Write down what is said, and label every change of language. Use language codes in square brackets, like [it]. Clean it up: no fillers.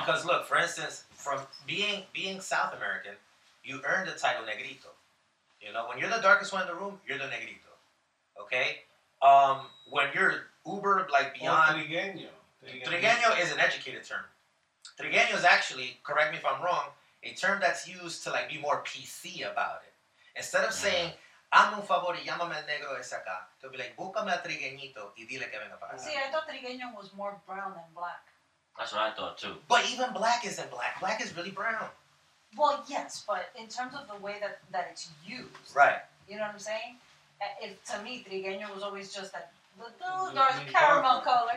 [en] Because look, for instance, from being South American, you earn the title Negrito. You know, when you're the darkest one in the room, you're the Negrito. Okay? When you're Uber, like, beyond... Or Trigueño. Trigueño is an educated term. Trigueño is actually, correct me if I'm wrong, a term that's used to, like, be more PC about it. Instead of saying, [es] hazme un favor y llámame el negro ese acá, [en] to be like, [es] búscame a Trigueñito y dile que venga para acá. [en] See, I thought Trigueño was more brown than black. That's what I thought, too. But even black isn't black. Black is really brown. Well, yes, but in terms of the way that it's used... Right. You know what I'm saying? To me, Trigueño was always just that... The caramel color.